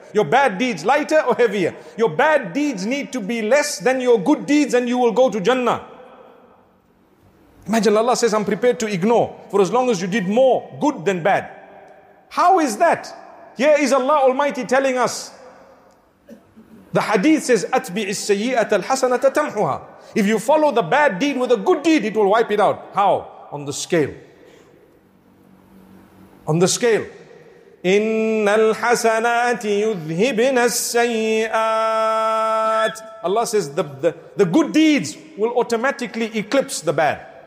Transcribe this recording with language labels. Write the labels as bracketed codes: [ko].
[en] Your bad deeds lighter or heavier? Your bad deeds need to be less than your good deeds and you will go to Jannah. Imagine Allah says, I'm prepared to ignore for as long as you did more good than bad. How is that? Here is Allah Almighty telling us. The hadith says, [ar] أَتْبِعِ السَّيِّئَةَ الْحَسَنَةَ تَمْحُهَا. [en] If you follow the bad deed with a good deed, it will wipe it out. How? On the scale. On the scale. [ar] إِنَّ الْحَسَنَاتِ يُذْهِبِنَ السَّيِّئَاتِ. [en] Allah says the good deeds will automatically eclipse the bad.